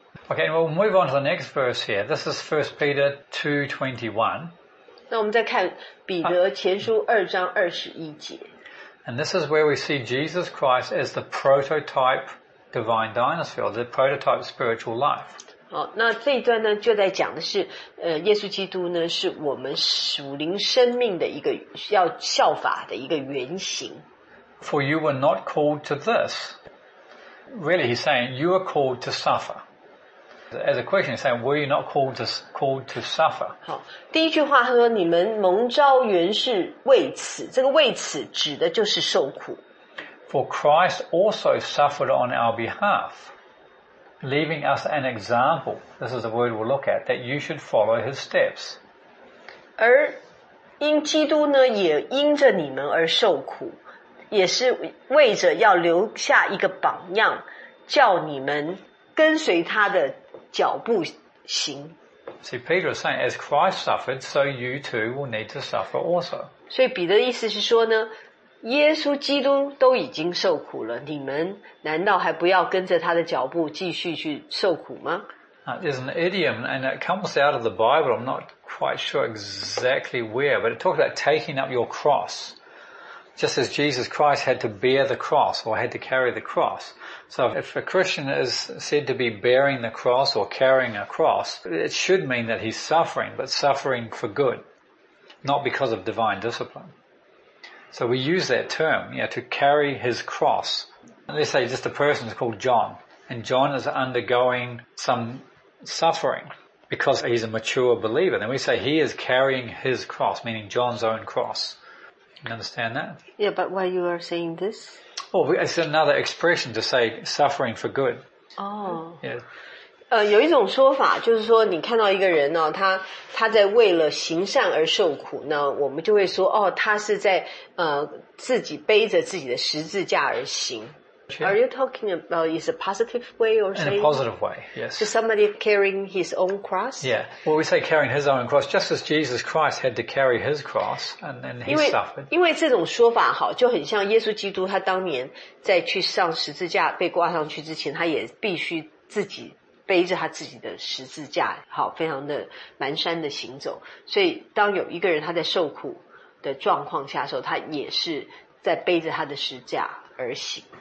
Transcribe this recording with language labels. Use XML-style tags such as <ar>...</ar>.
<en>Okay, we'll move on to the next verse here. This is 1 Peter 2:21.</en> <zh>那我们再看彼得前书二章二十一节。</zh> <en>And this is where we see Jesus Christ as the prototype divine dynasty, or the prototype spiritual life.</en> <zh>好，那这一段呢，就在讲的是，耶稣基督呢，是我们属灵生命的一个要效法的一个原型。</zh> <en>For you were not called to this. Really, he's saying you are called to suffer. As a question, he's saying, were you not called to suffer?</en> <zh>好，第一句话他说，你们蒙召原是为此，这个为此指的就是受苦。</zh> <en>For Christ also suffered on our behalf, leaving us an example, this is the word we'll look at, that you should follow his steps.</en> <zh>而因基督呢，也因着你们而受苦，也是为着要留下一个榜样，叫你们跟随他的脚步行。</zh> <en>See, Peter is saying, as Christ suffered, so you too will need to suffer also.</en> <zh>所以彼得的意思是说呢，耶稣基督都已经受苦了，你们难道还不要跟着他的脚步继续去受苦吗？</zh> <en>There's an idiom, and it comes out of the Bible. I'm not quite sure exactly where, but it talks about taking up your cross. Just as Jesus Christ had to bear the cross or had to carry the cross. So if a Christian is said to be bearing the cross or carrying a cross, it should mean that he's suffering, but suffering for good, not because of divine discipline. So we use that term, you know, to carry his cross. Let's say just a person is called John, and John is undergoing some suffering because he's a mature believer. Then we say he is carrying his cross, meaning John's own cross. You understand that? Yeah, but why you are saying this? Oh, it's another expression to say suffering for good. Oh. Yeah.</en> <zh>有一种说法就是说你看到一个人哦，他在为了行善而受苦，那我们就会说哦，他是在自己背着自己的十字架而行。</zh> <en>Sure. Are you talking about is a positive way or saying? In a positive way, yes. To somebody carrying his own cross? Yeah. Well, we say carrying his own cross, just as Jesus Christ had to carry his cross and then he suffered.</en> <zh>因为这种说法好，就很像耶稣基督他当年在去上十字架被挂上去之前，他也必须自己背着他自己的十字架，好，非常的蹒跚的行走。所以当有一个人他在受苦的状况下的时候，他也是在背着他的十字架而行。</zh>